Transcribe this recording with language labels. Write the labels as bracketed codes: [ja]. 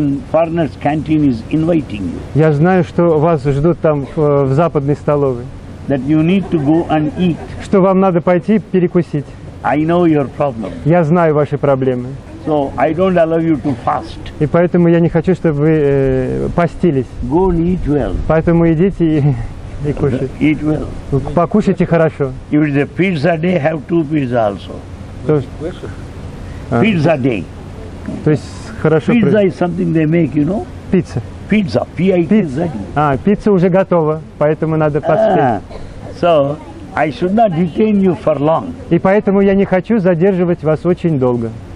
[en] Foreigner's canteen is inviting you. [ru] Я знаю, что вас ждут там в западной столовой. [en] That you need to go and eat. [ru] Что вам надо пойти перекусить. [en] I know your problem. [ru] Я знаю ваши проблемы. [en] So I don't allow you to fast. [ru] И поэтому я не хочу, чтобы вы постились. [en] Go and eat well. [ru] Поэтому идите и кушайте. [en] Eat well. [ru] Покушайте хорошо. [en] If it's a pizza day, have 2 pizza also. Pizza day. [ru] То есть хорошо. [en] Pizza is something they make, you know. Pizza. Pizza, P-I-T-Z-A. [ru] Пицца уже готова, поэтому надо поспеть. [en] So, I should not detain you for long. [ru] И поэтому я не хочу задерживать вас очень долго.